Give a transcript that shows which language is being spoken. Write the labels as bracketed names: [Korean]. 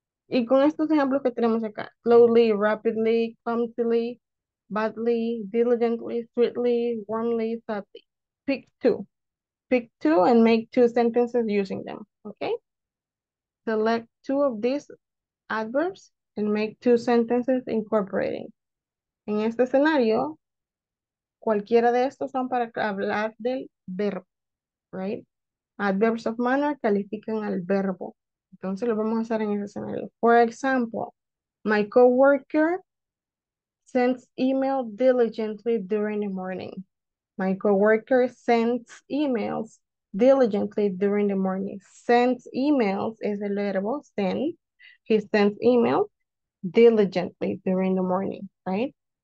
[Spanish] Y con estos ejemplos que tenemos acá, slowly, rapidly, clumsily, badly, diligently, sweetly, warmly, subtly. [English] Pick two and make two sentences using them, okay? Select two of these adverbs and make two sentences incorporating. [Spanish] En este escenario, cualquiera de estos son para hablar del verbo, right? Adverbs of manner califican al verbo. Entonces lo vamos a hacer en ese escenario. [English] For example, my coworker sends email diligently during the morning. My coworker sends emails diligently during the morning. Sends emails [Spanish] es el verbo [English] send. He sends emails diligently during the morning, right?